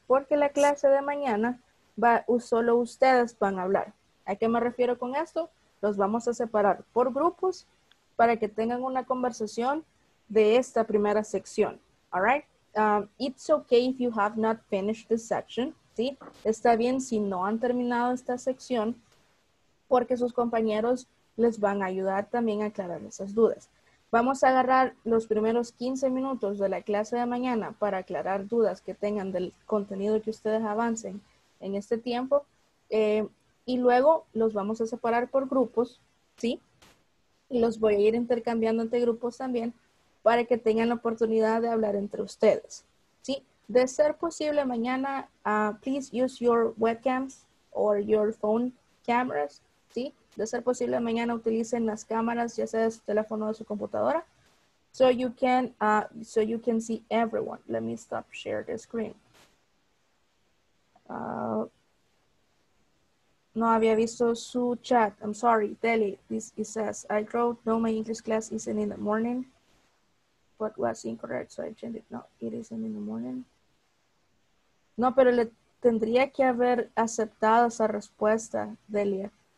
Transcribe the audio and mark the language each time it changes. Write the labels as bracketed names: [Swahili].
[Spanish] Porque la clase de mañana va, solo ustedes van a hablar. ¿A qué me refiero con esto? Los vamos a separar por grupos para que tengan una conversación de esta primera sección. [English] All right? It's okay if you have not finished this section. [Spanish] ¿Sí? Está bien si no han terminado esta sección, porque sus compañeros les van a ayudar también a aclarar esas dudas. Vamos a agarrar los primeros 15 minutos de la clase de mañana para aclarar dudas que tengan del contenido que ustedes avancen en este tiempo. Y luego los vamos a separar por grupos, ¿sí? Y los voy a ir intercambiando entre grupos también para que tengan la oportunidad de hablar entre ustedes, ¿sí? De ser posible mañana, [English] please use your webcams or your phone cameras, [Spanish] ¿sí? De ser posible mañana utilicen las cámaras, ya sea de su teléfono o de su computadora, [English] so you can see everyone. Let me stop share the screen. [Spanish] No había visto su chat. [English] I'm sorry, [Spanish] Deli. [English] This it says I wrote no, my English class isn't in the morning. What was incorrect? So I changed it. No, it isn't in the morning. [Spanish] No, pero le tendría que haber aceptado esa respuesta, Delia.